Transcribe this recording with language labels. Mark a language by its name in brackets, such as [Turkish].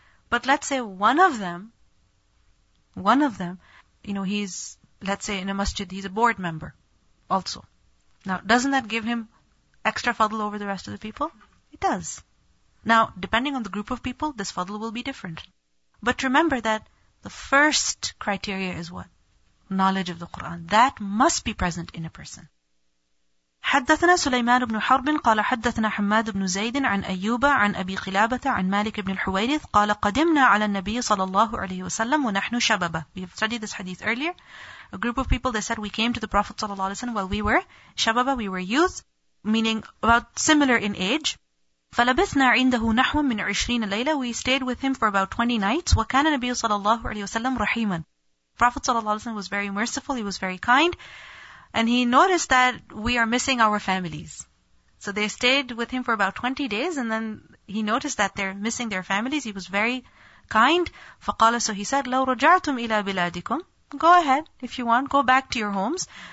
[English] But let's say one of them, you know, he's, let's say, in a masjid, he's a board member also. Now, doesn't that give him extra fadl over the rest of the people? It does. Now, depending on the group of people, this fadl will be different. But remember that the first criteria is what? Knowledge of the Quran. That must be present in a person. [Arabic] حدثنا سليمان بن حرب قال حدثنا حماد بن زيد عن أيوب عن أبي قلابة عن مالك بن الحويرث قال قدمنا على النبي صلى الله عليه وسلم ونحن شبابا. [English] We have studied this hadith earlier. A group of people, they said, we came to the Prophet صلى الله عليه وسلم while we were شبابا, we were youth, meaning about similar in age. فلبثنا عنده نحو من 20 ليلة. We stayed with him for about 20 nights. [Arabic] وكان النبي صلى الله عليه وسلم رحيما. [English] Prophet صلى الله عليه وسلم was very merciful, he was very kind. And he noticed that we are missing our families. So they stayed with him for about 20 days, and then he noticed that they're missing their families. He was very kind. فَقَالَ, so he said, لَوْ رَجَعْتُمْ إِلَىٰ بِلَادِكُمْ, go ahead, if you want, go back to your homes.